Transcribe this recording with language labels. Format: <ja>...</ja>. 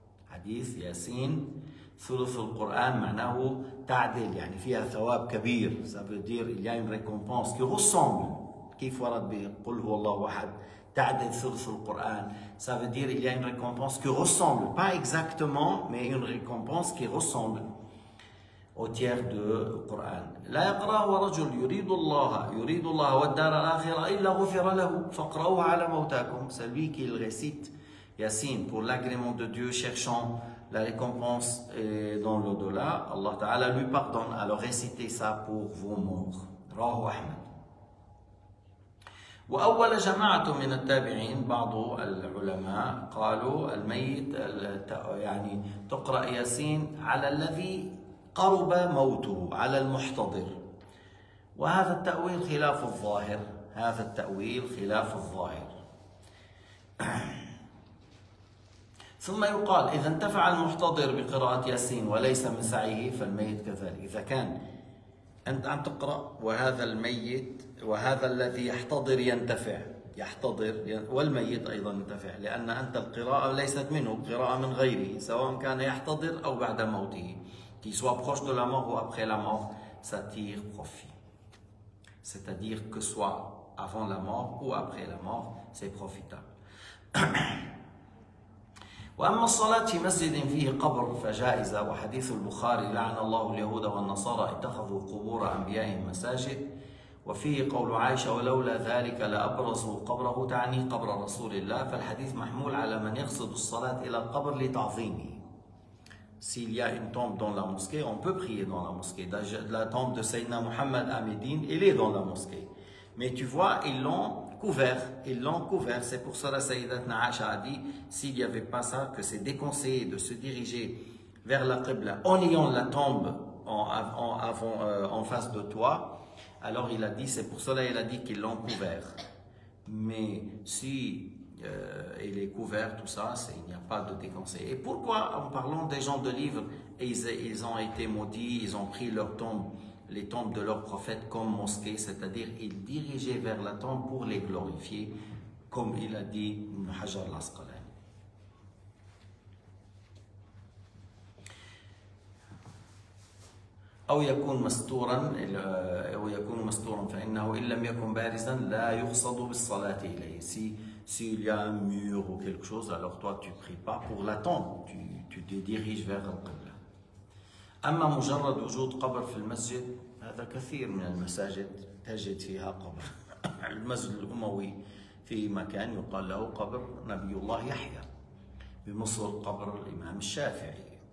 <ar>حديث ياسين ثلث القرآن معناه تعديل يعني فيها ثواب كبير</ar> <fr>سابدير اليوم ريكومبونس كي غصام</fr> <ar>كيف ورد بقل هو الله واحد تعديل ثلث القرآن سابدير اليوم ريكومبونس كي غصام</ar> <fr>با إكزاكتمون مي إن ريكومبونس كي غصام au tiers du Coran.</fr> <ar>لا يقرأه رجل يريد الله يريد الله والدار الآخرة إلا غفر له فقرأوه على موتاكم.</ar> <fr>Celui qui le récite Yassin pour l'agrément de Dieu cherchant la récompense dans l'au-delà, Allah Ta'ala lui pardonne. Alors récitez ça pour vos morts.</fr> <ar>رواه أحمد. وأول جماعة من التابعين بعض العلماء قالوا الميت يعني تقرأ ياسين على الذي قرب موته على المحتضر، وهذا التأويل خلاف الظاهر، هذا التأويل خلاف الظاهر. ثم يقال إذا انتفع المحتضر بقراءة ياسين وليس من سعيه فالميت كذلك. إذا كان أنت عم تقرأ وهذا الميت وهذا الذي يحتضر ينتفع، يحتضر والميت أيضا ينتفع، لأن أنت القراءة ليست منه، القراءة من غيره سواء كان يحتضر أو بعد موته.</ar> <fr>Qui soit proche de la mort ou après la mort, ça tire profit. C'est-à-dire que soit avant la mort ou après la mort, c'est profitable.</fr> <ar>وأما الصلاة في مسجد فيه قبر فجائزة، وحديث البخاري لعن الله اليهود والنصارى اتخذوا قبور أنبيائهم مساجد، وفيه قول عائشة ولولا ذلك لأبرزوا قبره، تعني قبر رسول الله، فالحديث محمول على من يقصد الصلاة إلى القبر لتعظيمه.</ar> <fr>S'il y a une tombe dans la mosquée, on peut prier dans la mosquée. La tombe de Sayyidina Muhammad à Médine, elle est dans la mosquée. Mais tu vois, ils l'ont couvert. Ils l'ont couvert. C'est pour cela que Sayyidatna Aisha a dit, s'il n'y avait pas ça, que c'est déconseillé de se diriger vers la Qibla en ayant la tombe en face de toi. Alors il a dit, c'est pour cela qu'il a dit qu'ils l'ont couvert. Mais si... il est couvert, tout ça, il n'y a pas de déconseil. Et pourquoi, en parlant des gens de livres, ils ont été maudits, ils ont pris leur tombe, les tombes de leurs prophètes comme mosquée, c'est-à-dire ils dirigeaient vers la tombe pour les glorifier, comme il a dit Hajar al-Asqalani.</fr> <ar>أو يكون مستورا أو يكون مستورا فإنه إن لم يكن بارزا لا يقصد بالصلاة إليه.</ar> <fr>S'il y a un mur ou quelque chose, alors toi tu ne pries pas pour la tombe, tu te diriges vers la Qibla.</fr> <ar>أما مجرد وجود قبر في المسجد، هذا كثير من المساجد تجد فيها قبر. المسجد الأموي في مكان يقال له قبر نبي الله يحيى. بمصر قبر الإمام الشافعي.</ar>